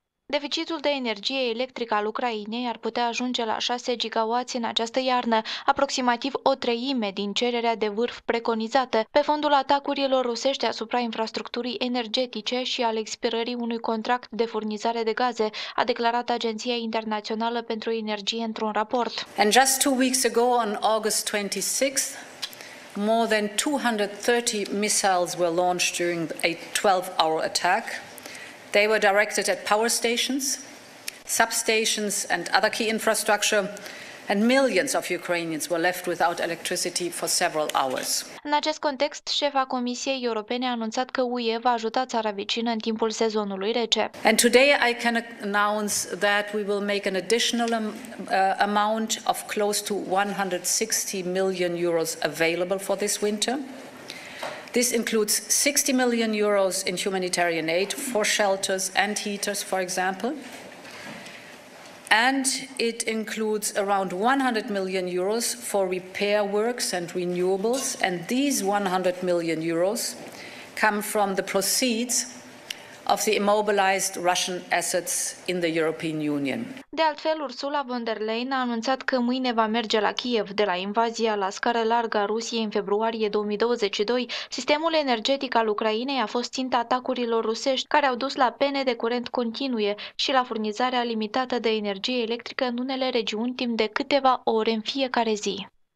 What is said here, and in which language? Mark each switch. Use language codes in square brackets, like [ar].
[ro] Deficitul de energie electrică al Ucrainei ar putea ajunge la 6 gigawați în această iarnă, aproximativ o treime din cererea de vârf preconizată, pe fondul atacurilor rusești asupra infrastructurii energetice și al expirării unui contract de furnizare de gaze, a declarat Agenția Internațională pentru Energie într-un raport. [en] And just 2 weeks ago, on August 26th, more than 230 missiles were launched during a 12-hour attack. They were directed at power stations, substations and other key infrastructure, and millions of Ukrainians were left without electricity for several hours. [ro] În acest context, șefa Comisiei Europene a anunțat că UE va ajuta țara vecină în timpul sezonului rece. [en] And today I can announce that we will make an additional amount of close to 160 million euros available for this winter. This includes 60 million euros in humanitarian aid for shelters and heaters, for example. And it includes around 100 million euros for repair works and renewables. And these 100 million euros come from the proceeds of the immobilized Russian assets in the European Union. [ro] De altfel, Ursula von der Leyen a anunțat că mâine va merge la Kiev. De la invazia la scară largă a Rusiei în februarie 2022, sistemul energetic al Ucrainei a fost ținta atacurilor rusești, care au dus la pene de curent continue și la furnizarea limitată de energie electrică în unele regiuni timp de câteva ore în fiecare zi.